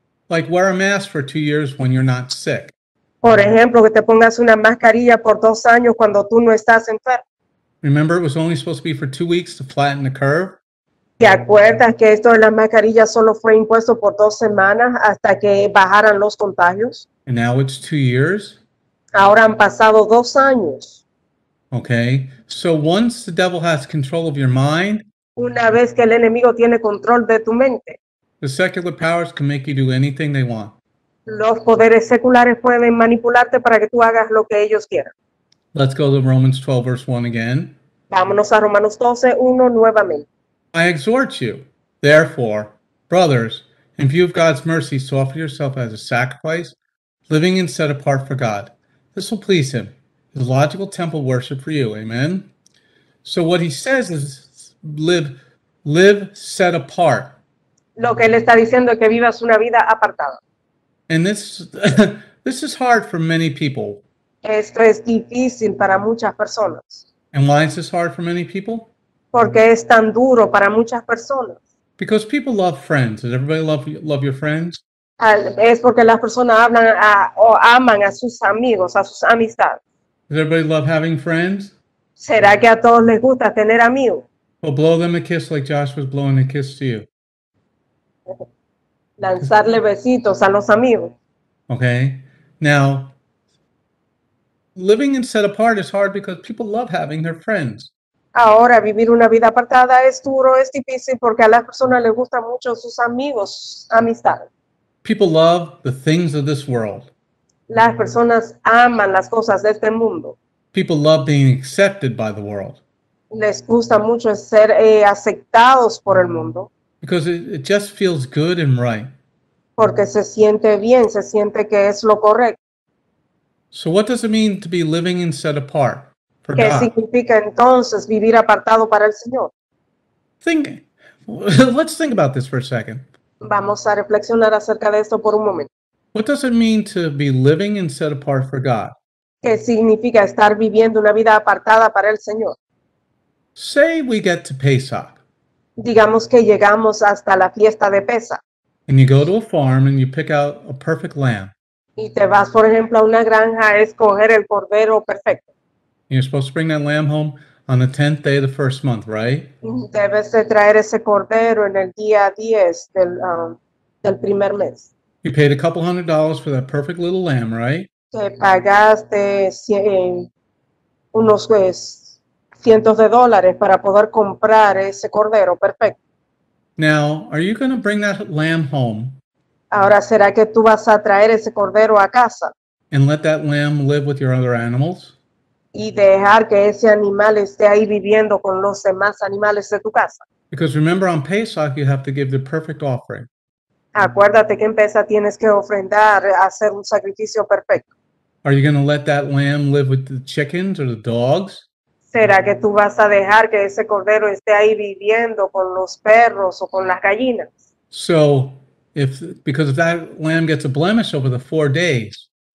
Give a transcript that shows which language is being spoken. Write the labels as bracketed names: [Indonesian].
[English] Like wear a mask for 2 years when you're not sick. [Spanish] Por ejemplo, que te pongas una mascarilla por 2 años cuando tú no estás enfermo. [English] Remember, it was only supposed to be for 2 weeks to flatten the curve. [Spanish] ¿Te acuerdas que esto de las mascarillas solo fue impuesto por 2 semanas hasta que bajaran los contagios? [English] And now it's 2 years. [Spanish] Ahora han pasado 2 años. [English] Okay, so once the devil has control of your mind. [Spanish] Una vez que el enemigo tiene control de tu mente. [English] The secular powers can make you do anything they want. [Spanish] Los poderes seculares pueden manipularte para que tú hagas lo que ellos quieran. [English] Let's go to Romans 12, verse 1 again. [Spanish] Vámonos a Romanos 12, 1 nuevamente. [English] I exhort you, therefore, brothers, in view of God's mercy, to offer yourself as a sacrifice, living and set apart for God. This will please him. His logical temple worship for you. Amen. So what he says is live set apart. [Spanish] Lo que él está diciendo es que vivas una vida apartada. [English] And this is hard for many people. [Spanish] Esto es difícil para muchas personas. [English] And why is this hard for many people? [Spanish] Porque es tan duro para muchas personas. [English] Because people love friends. Does everybody love your friends? [Spanish] Es porque las personas hablan o aman a sus amigos, a sus amistades. [English] Does everybody love having friends? [Spanish] ¿Será que a todos les gusta tener amigos? [English] Well, blow them a kiss like Josh was blowing a kiss to you. [Spanish] Lanzarle besitos a los amigos. [English] Okay. Now, living and set apart is hard because people love having their friends. [Spanish] Ahora, vivir una vida apartada es duro, es difícil porque a las personas les gusta mucho sus amigos, amistad. [English] People love the things of this world. [Spanish] Las personas aman las cosas de este mundo. [English] People love being accepted by the world. [Spanish] Les gusta mucho ser aceptados por el mundo. [English] Because it just feels good and right. [Spanish] Porque se siente bien, se siente que es lo correcto. [English] So what does it mean to be living and set apart for [Spanish] ¿Qué [English] God? [Spanish] ¿Qué significa entonces vivir apartado para el Señor? [English] Let's think about this for a second. [Spanish] Vamos a reflexionar acerca de esto por un momento. [English] What does it mean to be living and set apart for God? [Spanish] ¿Qué significa estar viviendo una vida apartada para el Señor? [English] Say we get to Pesach. [Spanish] Digamos que llegamos hasta la fiesta de Pesach. [English] And you go to a farm and you pick out a perfect lamb. [Spanish] Y te vas, por ejemplo, a una granja a escoger el cordero perfecto. [English] And you're supposed to bring that lamb home on the 10th day of the first month, right? [Spanish] Debes de traer ese cordero en el día 10 del primer mes. [English] You paid a couple hundred dollars for that perfect little lamb, right? [Spanish] Te pagaste unos cientos de dólares para poder comprar ese cordero perfecto. [English] Now, are you going to bring that lamb home? [Spanish] Ahora, ¿será que tú vas a traer ese cordero a casa? [English] And let that lamb live with your other animals? [Spanish] Y dejar que ese animal esté ahí viviendo con los demás animales de tu casa. [English] Because remember, on Pesach, you have to give the perfect offering. [Spanish] Acuérdate que en Pesach tienes que ofrendar, hacer un sacrificio perfecto. [English] Are you going to let that lamb live with the chickens or the dogs? [Spanish] ¿Será que tú vas a dejar que ese cordero esté ahí viviendo con los perros o con las gallinas? [English] So, because if that lamb gets a blemish over the 4 days.